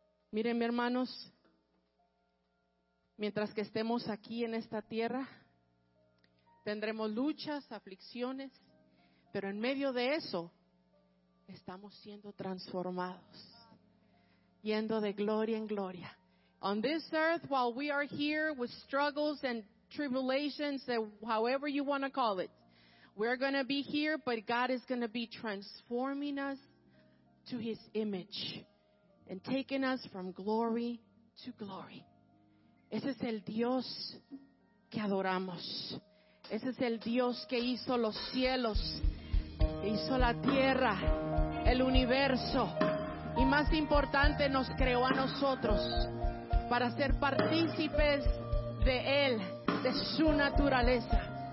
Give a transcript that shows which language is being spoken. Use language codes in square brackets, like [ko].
[es] Miren, mis hermanos, mientras que estemos aquí en esta tierra, tendremos luchas, aflicciones, pero en medio de eso, estamos siendo transformados, yendo de gloria en gloria. [en] On this earth, while we are here with struggles and tribulations, however you want to call it, we're going to be here, but God is going to be transforming us to His image and taking us from glory to glory. [es] Ese es el Dios que adoramos. Ese es el Dios que hizo los cielos, hizo la tierra, el universo. Y más importante, nos creó a nosotros para ser partícipes de Él, de su naturaleza.